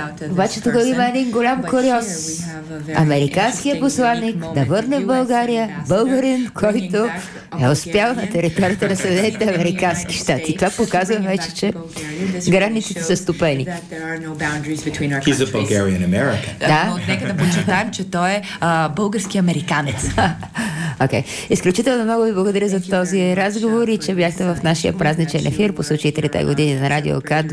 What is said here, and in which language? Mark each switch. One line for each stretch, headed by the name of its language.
Bulgarian: Обаче тук има един голям куриоз. Американският посланник да върне в България българин, който е успял на територията на Съединените американски щати. Това показва вече, че границите са ступени.
English: He's a Bulgarian American.
Bulgarian: Да, но нека да почитаем, че той е български американец. Окей. Изключително много ви благодаря за този разговор и че бяхте в нашия празничен ефир по случай 3-та година на Радио К2.